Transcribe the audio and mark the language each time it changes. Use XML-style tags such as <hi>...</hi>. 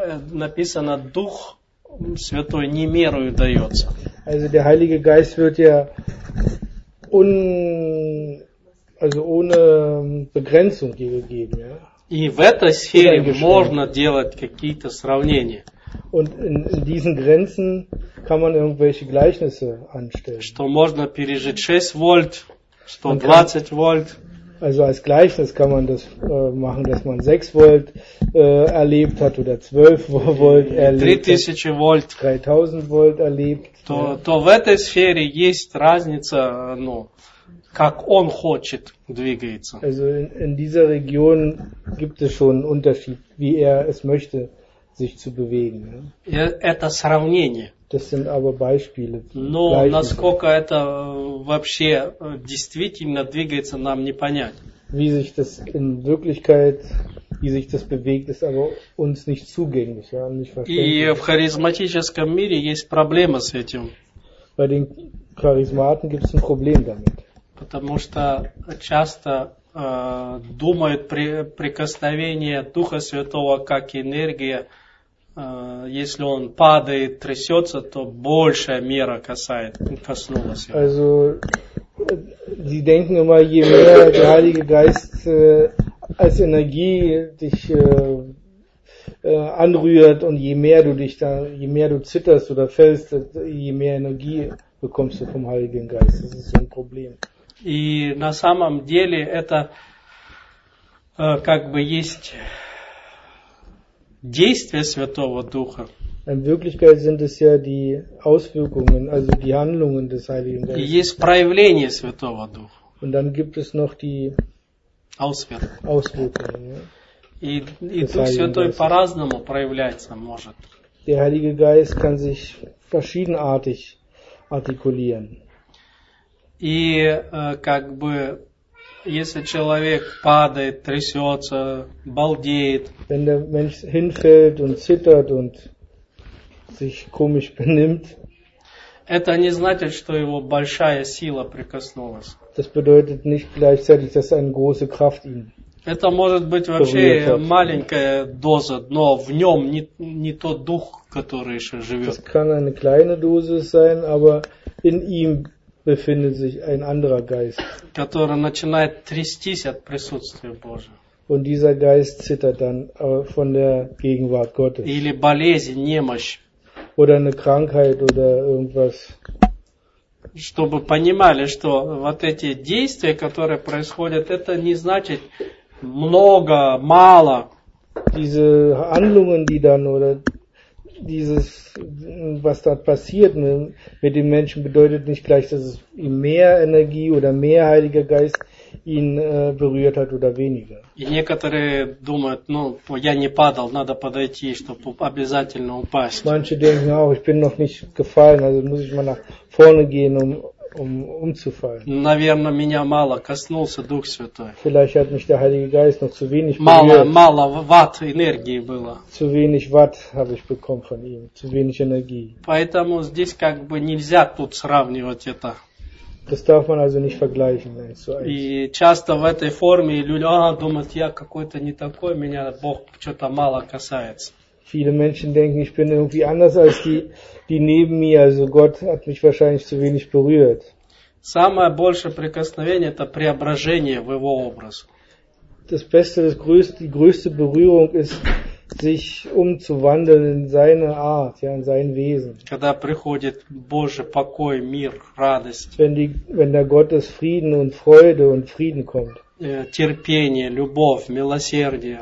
<ru>Написано, Дух Святой не мерою дается.</ru> <de>Also, der Heilige Geist wird ja Also ohne Begrenzung gegeben, ja.</de> <ru>И в этой сфере можно делать какие-то сравнения.</ru> <de>Und in diesen Grenzen kann man irgendwelche Gleichnisse anstellen.</de> <ru>Что можно пережить 6 вольт, что 20 вольт.</ru> <de>Also als Gleichnis kann man das machen, dass man 6 Volt erlebt hat oder 12 Volt erlebt hat, 3000 Volt erlebt.</de> <ru>То, ja. То в этой сфере есть разница, ну, как он хочет двигается.</ru> <de>Also in dieser Region gibt es schon einen Unterschied, wie er es möchte, sich zu bewegen. Ja.</de> <ru>Это сравнение.</ru> <de>Das sind aber Beispiele.</de> <ru>Но насколько это вообще действительно двигается, нам не понять.</ru> <de>Wie sich das in Wirklichkeit, wie sich das bewegt, ist aber uns nicht zugänglich, ja, nicht verständlich.</de> <ru>И в харизматическом мире есть проблема с этим.</ru> <de>Bei den Charismaten gibt es ein Problem damit.</de> <ru>Потому что часто думают прикосновение Духа Святого как энергия. Если он падает, трясется, то большая мера коснулась его.</ru> <de>Also, die denken immer, je mehr der Heilige Geist als Energie dich anrührt und je mehr du dich da, je mehr du zitterst oder fällst, je mehr Energie bekommst du vom Heiligen Geist. Das ist so ein Problem.</de> <ru>И на самом деле это как бы есть действия Святого Духа.</ru> <de>In Wirklichkeit sind es ja die Auswirkungen, also die Handlungen des Heiligen Geistes.</de> <ru>И есть проявление Святого Духа.</ru> <de>Und dann gibt es noch die Auswirkungen. Ja,</de> <ru>и Дух Святой по-разному проявляться может.</ru> <de>Der Heilige Geist kann sich verschiedenartig artikulieren.</de> <ru>И как бы если человек падает, трясется, балдеет.</ru> <de>Wenn der Mensch hinfällt und zittert und sich komisch benimmt.</de> <ru>Это не значит, что его большая сила прикоснулась.</ru> <de>Das bedeutet nicht gleichzeitig, dass eine große Kraft ihn.</de> <ru>Это может быть вообще маленькая доза, но в нем не тот дух, который еще живет.</ru> <de>Das kann eine kleine Dosis sein, aber in ihm befindet sich ein anderer Geist,</de> <ru>который начинает трястись от присутствия Божьего.</ru> <de>Und dieser Geist zittert dann von der Gegenwart Gottes.</de> <ru>Или болезнь, немощь.</ru> <de>Oder eine Krankheit oder irgendwas.</de> <ru>Чтобы понимали, что вот эти действия, которые происходят, это не значит много, мало.</ru> <de>Diese Handlungen, die dann oder dieses, was da passiert mit dem Menschen, bedeutet nicht gleich, dass es ihm mehr Energie oder mehr Heiliger Geist ihn berührt hat oder weniger.</de> <ru>И некоторые думают, ну, я не падал, надо подойти, чтобы обязательно упасть.</ru> <de>Manche denken, oh, ich bin noch nicht gefallen, also muss ich mal nach vorne gehen, umzufallen.</de> <ru>Наверное, меня мало коснулся Дух Святой.</ru> <de>Vielleicht hat mich der Heilige Geist noch zu wenig berührt.</de> <ru>Мало ватт энергии было.</ru> <de>Zu wenig Watt habe ich bekommen von ihm, zu wenig Energie.</de> <ru>Поэтому здесь как бы нельзя тут сравнивать это.</ru> <de>Das darf man also nicht vergleichen.</de> <ru>И часто в этой форме люди думают, я какой-то не такой, меня Бог что-то мало касается.</ru> <de>Viele Menschen denken, ich bin irgendwie anders als die neben mir, also Gott hat mich wahrscheinlich zu wenig berührt.</de> <ru>Самое большее прикосновение – это преображение в его образ.</ru> <de>Das Beste, die größte Berührung ist, sich umzuwandeln in seine Art, ja, in sein Wesen.</de> <ru>Когда приходит Божий покой, мир, радость.</ru> <de>Wenn der Gottes Frieden und Freude und Frieden kommt.</de> <ru>Терпение, любовь, милосердие.</ru>